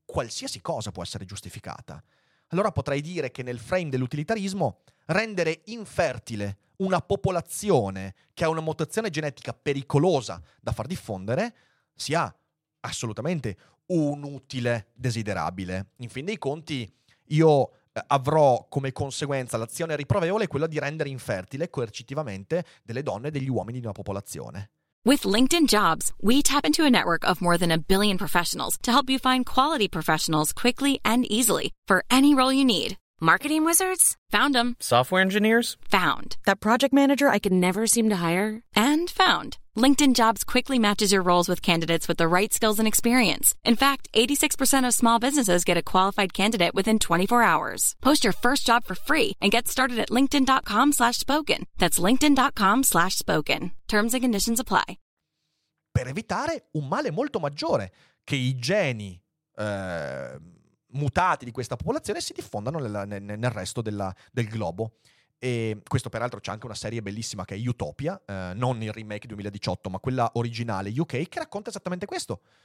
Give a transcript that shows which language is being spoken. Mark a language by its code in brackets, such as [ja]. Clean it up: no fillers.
[it] Qualsiasi cosa può essere giustificata. Allora potrei dire che nel frame dell'utilitarismo rendere infertile una popolazione che ha una mutazione genetica pericolosa da far diffondere sia assolutamente un utile desiderabile. In fin dei conti io avrò come conseguenza l'azione riprovevole quella di rendere infertile coercitivamente delle donne e degli uomini di una popolazione. [en] With LinkedIn Jobs, we tap into a network of more than a billion professionals to help you find quality professionals quickly and easily for any role you need. Marketing wizards? Found them. Software engineers? Found. That project manager I could never seem to hire? And found. LinkedIn Jobs quickly matches your roles with candidates with the right skills and experience. In fact, 86% of small businesses get a qualified candidate within 24 hours. Post your first job for free and get started at linkedin.com/spoken. That's linkedin.com/spoken. Terms and conditions apply. [it] Per evitare un male molto maggiore, che i geni mutati di questa popolazione si diffondano nel resto del globo. E questo peraltro c'è anche una serie bellissima che è Utopia, non il remake 2018 ma quella originale UK, che racconta esattamente questo.